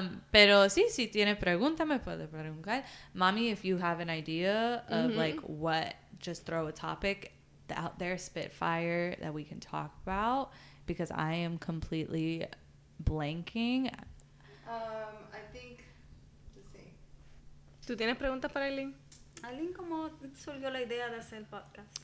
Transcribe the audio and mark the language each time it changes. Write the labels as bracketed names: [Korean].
[Spanish] Pero sí, si tienes preguntas, me puedes preguntar. [English] Mami, if you have an idea of like what, just throw a topic out there, spitfire, that we can talk about, because I am completely blanking. I think, let's see. [Spanish] ¿Tú tienes preguntas para Aileen? Aileen, ¿cómo surgió la idea de hacer el podcast?